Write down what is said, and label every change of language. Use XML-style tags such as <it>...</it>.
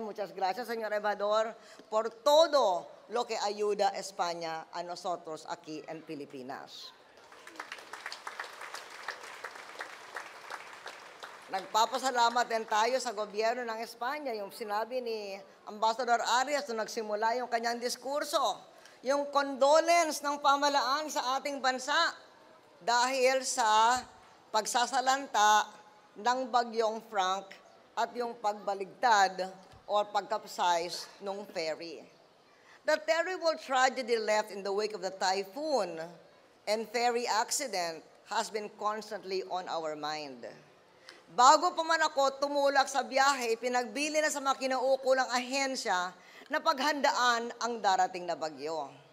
<es>Muchas gracias, Señor Embajador, por todo lo que ayuda España a nosotros aquí en Filipinas.</es> <tl>Nagpapasalamat din tayo sa gobyerno ng Espanya, yung sinabi ni Ambassador Arias nung nagsimula yung kanyang diskurso, yung condolence ng pamahalaan sa ating bansa dahil sa pagsasalanta ng bagyong Frank at yung pagbaligtad o pagcapsize ng ferry.</tl> <en>The terrible tragedy left in the wake of the typhoon and ferry accident has been constantly on our mind.</en> <tl>Bago pa man ako tumulak sa biyahe, pinagbili na sa makinaukulang ahensya na paghandaan ang darating na bagyo.</tl>